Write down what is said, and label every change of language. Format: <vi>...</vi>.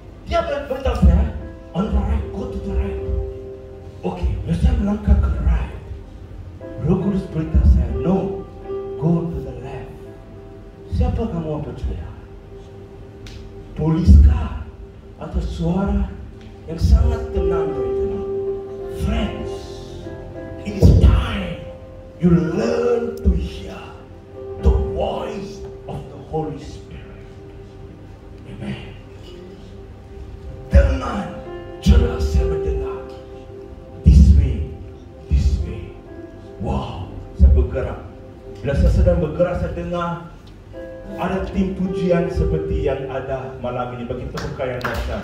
<ms>Dia beritahu saya,</ms> <en>on the right, go to the right. Okay,</en> <ms>bila saya melangkah ke</ms> <en>right,</en> <ms>Roh Kudus beritahu saya,</ms> <en>no, go to the left.</en> <ms>Siapa kamu percaya? Polis kah? Atau suara yang sangat tenang dari sana?</ms> <en>Friends, it is time you learn to hear the voice of the Holy Spirit. Amen.</en> <ms>Dengan jelas saya mendengar.</ms> <en>This way.</en> <ms>Wow, saya bergerak. Bila saya sedang bergerak, saya dengar ada tim pujian seperti yang ada malam ini bagi pembuka yang datang.</ms>